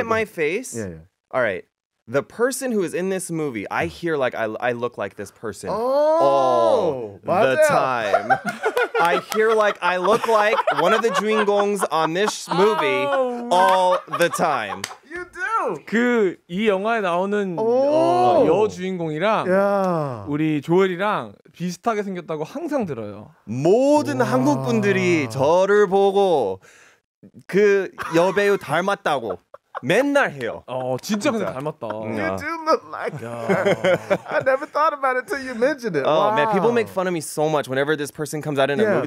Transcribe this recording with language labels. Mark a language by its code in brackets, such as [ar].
[en] at my face. Yeah. All right. The person who is in this movie, I hear like I look like this person all the time. I hear like I look like one of the 주인공s on this movie all the time. You do. [ko] 그 이 영화에 나오는 여 주인공이랑 우리 조엘이랑 비슷하게 생겼다고 항상 들어요. 모든 한국 분들이 저를 보고 그 여배우 닮았다고. 맨날 해요. 진짜 근데 닮았다. [en] Yeah. You do look like her. I never thought about it until you mentioned it. Wow. Man, people make fun of me so much whenever this person comes out in a movie.